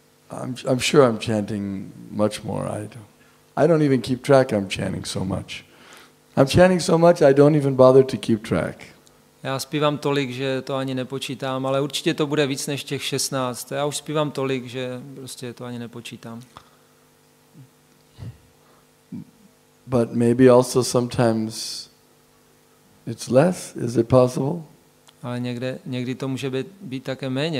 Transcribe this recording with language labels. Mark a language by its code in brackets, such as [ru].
[en] I'm sure I'm chanting much more. I don't even keep track. I'm chanting so much. I'm chanting so much. I don't even bother to keep track. [cs] Já zpívám tolik, že to ani nepočítám, ale určitě to bude víc než těch 16. Já už zpívám tolik, že prostě to ani nepočítám. [en] But maybe also sometimes it's less. Is it possible? [cs] Ale někdy to může být také méně.